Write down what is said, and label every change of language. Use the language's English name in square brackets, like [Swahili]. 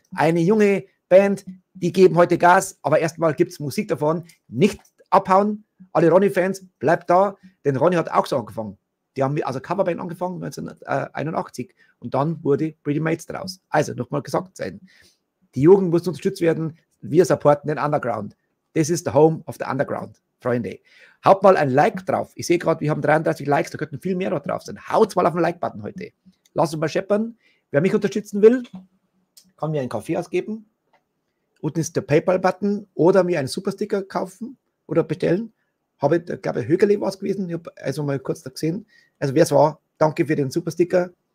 [German] Eine junge Band, die geben heute Gas, aber erstmal gibt es Musik davon. Nicht abhauen, alle Ronny-Fans, bleibt da, denn Ronny hat auch so angefangen. Die haben also Coverband angefangen 1981 und dann wurde Pretty Maids draus. Also nochmal gesagt sein: Die Jugend muss unterstützt werden, wir supporten den Underground. [English] This is the home of the Underground, Freunde. [German] Haut mal ein Like drauf. Ich sehe gerade, wir haben 33 Likes, da könnten viel mehr noch drauf sein. Haut mal auf den Like-Button heute. Lass uns mal scheppern. Wer mich unterstützen will, kann mir einen Kaffee ausgeben. Unten ist der PayPal-Button oder mir einen Supersticker kaufen oder bestellen. Habe ich, glaube ich, Högerle war es gewesen. Ich habe also mal kurz da gesehen. Also wer es war, danke für den Supersticker.